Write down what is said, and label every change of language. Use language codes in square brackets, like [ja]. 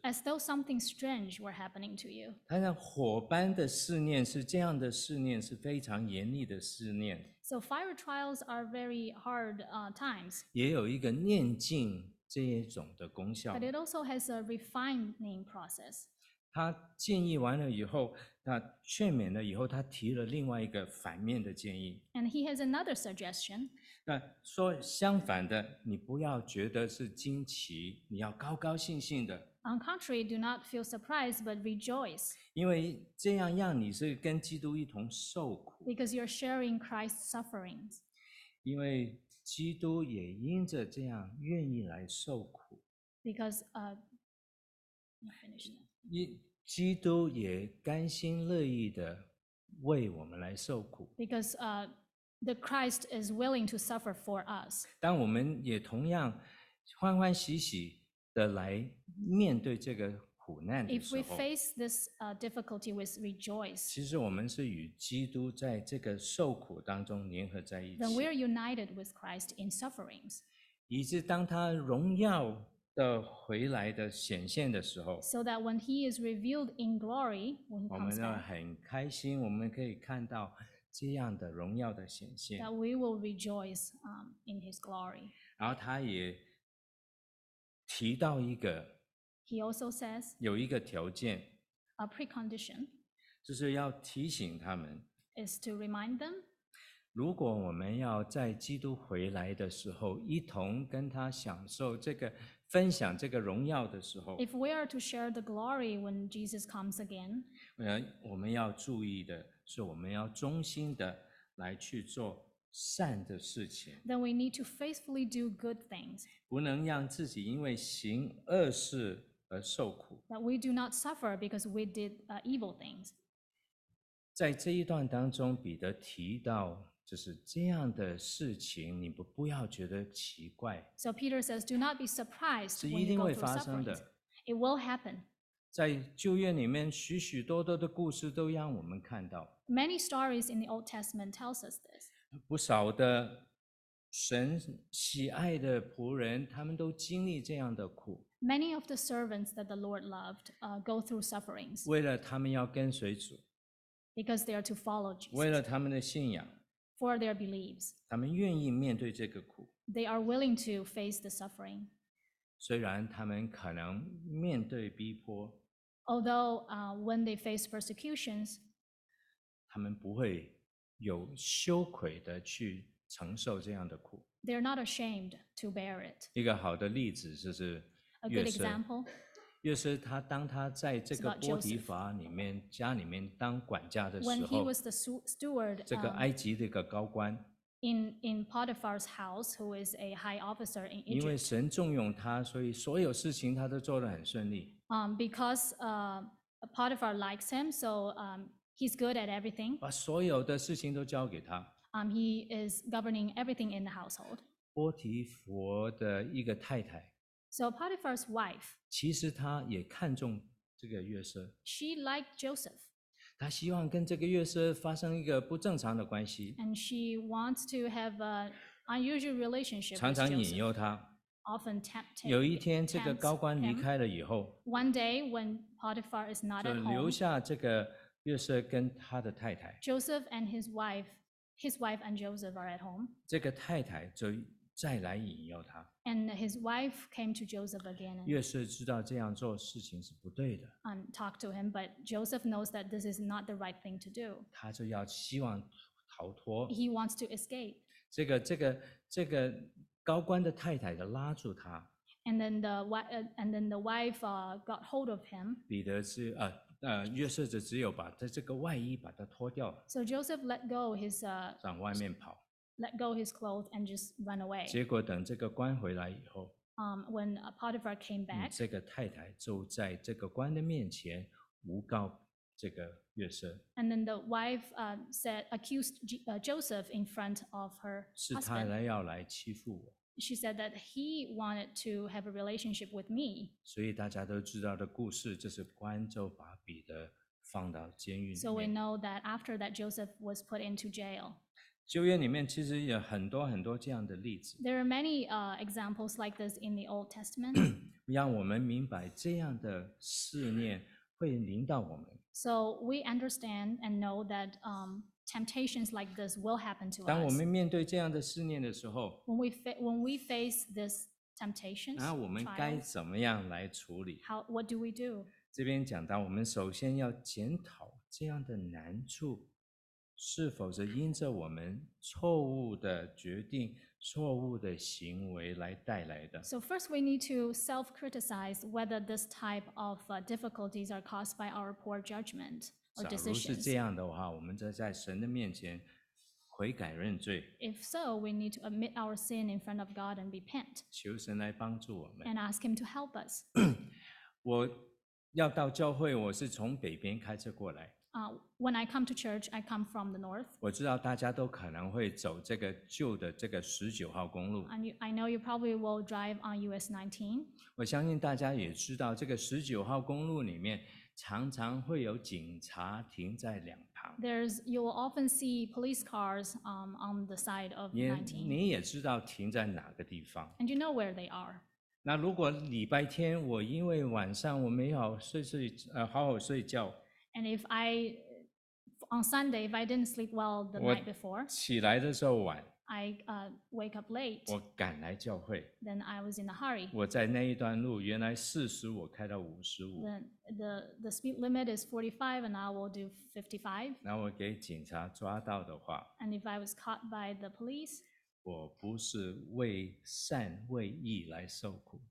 [en] As though something strange were happening to you. [zh] 他像火般的试炼是这样的试炼，是非常严厉的试炼。 [en] So fiery trials are very hard times. [zh] 也有一个炼净这一种的功效。 [en] But it also has a refining process. [zh] 他建议完了以后，那劝勉了以后，他提了另外一个反面的建议。 [en] And he has another suggestion. [zh] 那说相反的，你不要觉得是惊奇，你要高高兴兴的。 [en] On contrary, do not feel surprised, but rejoice. [zh] 因为这样让你是跟基督一同受苦。 [en] Because you're sharing Christ's sufferings. [zh] 因为基督也因着这样愿意来受苦。 [en] Because finish that. [zh] 基督也甘心乐意的为我们来受苦。 [en] Because the Christ is willing to suffer for us. [zh] 但我们也同样欢欢喜喜的来面对这个苦难的时候。 [en] If we face this difficulty with rejoice. [zh] 其实我们是与基督在这个受苦当中联合在一起。 [en] Then we are united with Christ in sufferings. [zh] 以致当他荣耀的回来的显现的时候， [en] so that when he is revealed in glory, when he comes back, [zh] 我们要很开心，我们可以看到这样的荣耀的显现。 [en] That we will rejoice in his glory. [zh] 然后他也提到一个， [en] he also says, [zh] 有一个条件， [en] a precondition, [zh] 就是要提醒他们， [en] is to remind them, [zh] 如果我们要在基督回来的时候一同跟他享受这个分享这个荣耀的时候， [en] If we are to share the glory when Jesus comes again, [zh] 我们要注意的是我们要忠心的来去做善的事情。 [en] Then we need to faithfully do good things. [zh] 不能让自己因为行恶事而受苦。 [en] That we do not suffer because we did evil things. [zh] 在这一段当中，彼得提到就是这样的事情，你不要觉得奇怪。 [en] So Peter says, do not be surprised when you go suffering. [zh] 是一定会发生的。 [en] It will happen. [zh] 在旧约里面，许许多多的故事都让我们看到。 [en] Many stories in the Old Testament tells us this. [zh] 不少的神喜爱的仆人，他们都经历这样的苦。 [en] Many of the servants that the Lord loved go through sufferings. [zh] 为了他们要跟随主。 [en] Because they are to follow Jesus. [zh] 为了他们的信仰。 [en] For their beliefs, [zh] 他们愿意面对这个苦。 [en] They are willing to face the suffering. [zh] 虽然他们可能面对逼迫。 [en] Although when they face persecutions, [zh] 他们不会有羞愧的去承受这样的苦。 [en] They are not ashamed to bear it. [zh] 一个好的例子就是约瑟。 [en] A good example. [zh] 约瑟他当他在这个波提法里面家里面当管家的时候， [en] When he was the steward, [zh] 这个埃及的一个高官， [en] in Potiphar's house, who is a high officer in Egypt, [zh] 因为神重用他，所以所有事情他都做得很顺利。 [en] Because Potiphar likes him, so he's good at everything. [zh] 把所有的事情都交给他。 [en] He is governing everything in the household. [zh] 波提佛的一个太太。 [en] So Potiphar's wife, [zh] 其实她也看中这个约瑟。 [en] She liked Joseph. [zh] 她希望跟这个约瑟发生一个不正常的关系。 [en] And she wants to have an unusual relationship. [zh] 常常引诱他。 [en] Often tempt him. [zh] 有一天，这个高官离开了以后 [en] ，One day when Potiphar is not at home, [zh] 就留下这个约瑟跟他的太太。 [en] Joseph and his wife and Joseph are at home. [zh] 这个太太就再来引诱他。 [en] And his wife came to Joseph again. [zh] 约瑟知道这样做事情是不对的。 [en] Talk to him, but Joseph knows that this is not the right thing to do. [zh] 他就要希望逃脱。 [en] He wants to escape. [zh] 这个高官的太太拉住他。 [en] And then the wife got hold of him. [zh] 约瑟就只有把他这个外衣把他脱掉。 [en] So Joseph let go his [zh] 往外面跑。 [en] Let go his clothes and just run away. [zh] 结果等这个官回来以后， [en] When Potiphar came back, [zh] 这个太太就在这个官的面前诬告这个月色。 [en] And then the wife accused Joseph in front of her husband. [zh] 是他要来欺负我。 [en] She said that he wanted to have a relationship with me. [zh] 所以大家都知道的故事，就是官就把彼得放到监狱里面。 [en] So we know that after that, Joseph was put into jail. [zh] 旧约里面其实有很多很多这样的例子。 [en] There are many examples like this in the Old Testament. [zh] 让我们明白这样的试炼会临到我们。 [en] So we understand and know that temptations like this will happen to us. [zh] 当我们面对这样的试炼的时候 [en] when we face this temptation, [zh] 那我们该怎么样来处理 [en] what do we do? [zh] 这边讲到我们首先要检讨这样的难处是否是因着我们错误的决定错误的行为来带来的。 [en] So first we need to self-criticize whether this type of difficulties are caused by our poor judgment or decisions. [zh] 假如是这样的话，我们就在神的面前悔改认罪。 [en] If so, we need to admit our sin in front of God and repent. [zh] 求神来帮助我们。 [en] And ask him to help us. [zh] 我要到教会，我是从北边开车过来。 [en] When I come to church, I come from the north. [zh] 我知道大家都可能会走这个旧的这个十九号公路。 [en] And I know you probably will drive on US 19. [zh] 我相信大家也知道这个十九号公路里面常常会有警察停在两旁。 [en] You will often see police cars on the side of 19. [zh] 你也知道停在哪个地方。 [en] And you know where they are. [zh] 那如果礼拜天我因为晚上我没有好好睡觉。 [en] And if I, on Sunday, if I didn't sleep well the night before, [zh] 我起来的时候晚。 [en] I wake up late. [zh] 我赶来教会。 [en] Then I was in a hurry. [zh] 我在那一段路原来40我开到55。 [en] Then the speed limit is 45 and I will do 55. [zh] 那我给警察抓到的话。 [en] And if I was caught by the police, [zh] 我不是为善为义来受苦。